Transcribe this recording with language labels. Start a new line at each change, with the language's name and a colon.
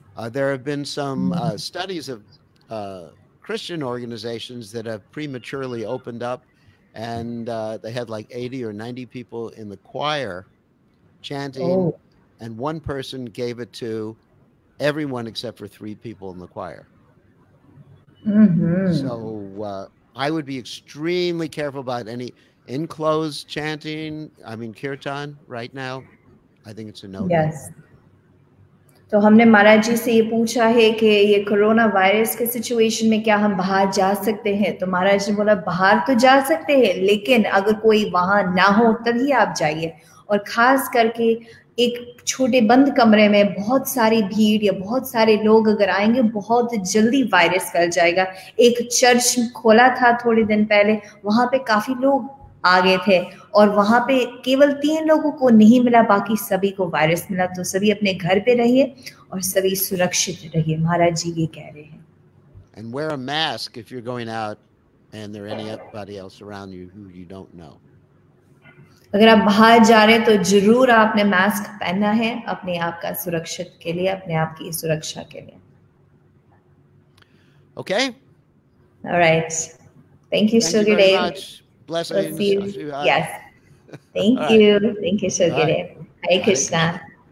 English: There have been some studies of Christian organizations that have prematurely opened up, and they had like 80 or 90 people in the choir chanting, and one person gave it to everyone except for three people in the choir. So I would be extremely careful about any enclosed chanting, I mean kirtan right now. I think it's a no. Yes.
Hindi: तो हमने महाराज जी से ये पूछा है कि ये corona virus के situation में क्या हम बाहर जा सकते हैं तो महाराज ने बोला बाहर तो जा सकते हैं लेकिन अगर कोई वहां ना हो तभी आप जाइए और खास करके एक छोटे बंद कमरे में बहुत सारी भीड़ या बहुत सारे लोग अगर आएंगे बहुत जल्दी वायरस फैल जाएगा एक चर्च खोला था थोड़े दिन पहले वहां पे काफी लोग आ गए थे और वहां पे केवल तीन लोगों को नहीं मिला बाकी सभी को वायरस मिला तो सभी अपने घर पे रहिए और सभी सुरक्षित रहिए महाराज जी ये कह रहे हैं
English: and wear a mask if you're going out and there anybody else around you who you don't know
Hindi: अगर आप बाहर जा रहे हैं तो जरूर आपने मास्क पहनना है अपने आप का सुरक्षित के लिए अपने आप की सुरक्षा के लिए
English: okay all right thank you sugar dave Bless you. Yes. Thank you. Thank you, Sugar. Hare Krishna.